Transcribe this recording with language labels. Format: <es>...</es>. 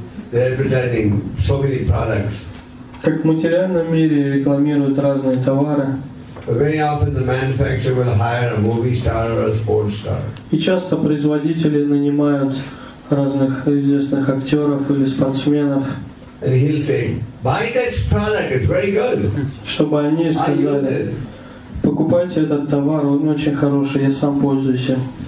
<en>They're advertising so many products.</en> <ru>Как в материальном мире рекламируют разные товары.</ru> <en>But very often the manufacturer will hire a movie star or a sports star.</en> <ru>И часто производители нанимают разных известных актеров или спортсменов.</ru> <en>And he'll say, "Buy this product; it's very good."</en> <ru>Чтобы они сказали, покупайте этот товар, он очень хороший, я сам пользуюсь им.</ru>